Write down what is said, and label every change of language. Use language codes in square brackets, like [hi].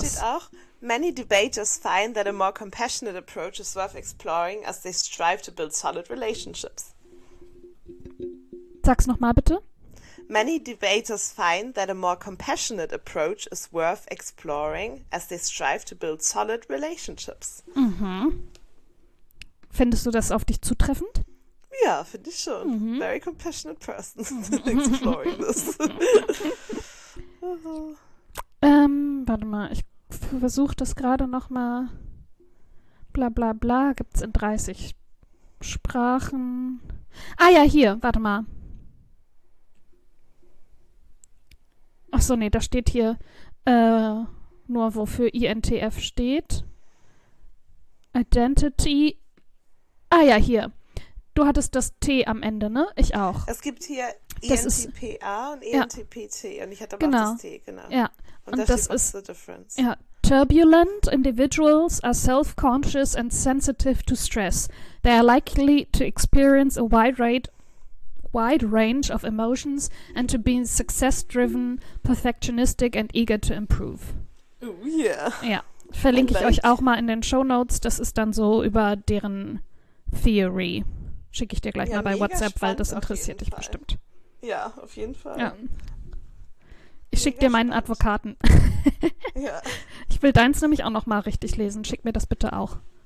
[de] Hier steht auch, [en] many debaters find that a more compassionate approach is worth exploring as they strive to build solid relationships. [de] Sag's nochmal bitte. [en] Many debaters find that a more compassionate approach is worth exploring as they strive to build solid relationships. Mhm. [de] Findest du das auf dich zutreffend? Ja, finde ich schon. [en] Mhm. Very compassionate person. Exploring this. [de] Warte mal, ich versuche das gerade nochmal. Bla bla bla, gibt es in 30 Sprachen. Ah ja, hier, warte mal. Ach so, nee, da steht hier nur, wofür INTF steht. Identity. Ah ja, hier. Du hattest das T am Ende, ne? Ich auch. Es gibt hier ENTPA und ENTPT. Ja. Und ich hatte aber auch das T, genau. Ja. Und das ist [en] the difference. Ja, turbulent individuals are self-conscious and sensitive to stress. They are likely to experience a wide range of emotions and to be success-driven, perfectionistic and eager to improve. Oh, yeah. [de] Ja, verlinke ich euch auch mal in den Shownotes. Das ist dann so über deren Theory. Schicke ich dir gleich mal bei WhatsApp, weil das interessiert dich bestimmt. Ja, auf jeden Fall. Ja. Ich schicke dir meinen Advokaten. Ja. Ich will deins nämlich auch nochmal richtig lesen. Schick mir das bitte auch.